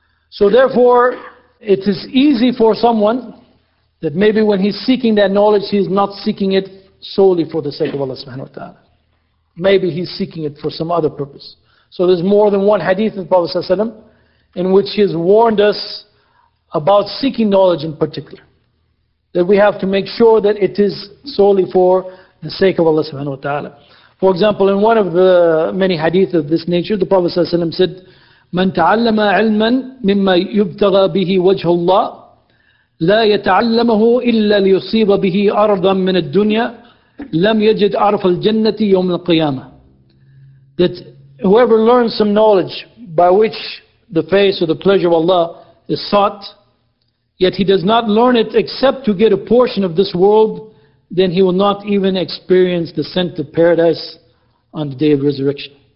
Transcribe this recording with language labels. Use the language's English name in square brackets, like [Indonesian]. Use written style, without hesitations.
[English] So therefore, it is easy for someone that maybe when he's seeking that knowledge, he's not seeking it solely for the sake of Allah subhanahu wa ta'ala. Maybe he's seeking it for some other purpose. So there's more than one hadith of Prophet ﷺ in which he has warned us about seeking knowledge in particular. That we have to make sure that it is solely for the sake of Allah subhanahu wa ta'ala. For example, in one of the many hadith of this nature, the Prophet ﷺ said, [Arabic] مَنْ تَعَلَّمَ عِلْمًا مِمَّا يُبْتَغَى بِهِ وَجْهُ اللَّهِ لَا يَتَعَلَّمَهُ إِلَّا لِيُصِيبَ بِهِ أَرْضًا مِنَ الدُّنْيَا لَمْ يَجِدْ عَرْفَ الْجَنَّةِ يَوْمِ الْقِيَامَةِ. [English] That whoever learns some knowledge by which the face or the pleasure of Allah is sought, yet he does not learn it except to get a portion of this world, then he will not even experience the scent of paradise on the day of resurrection.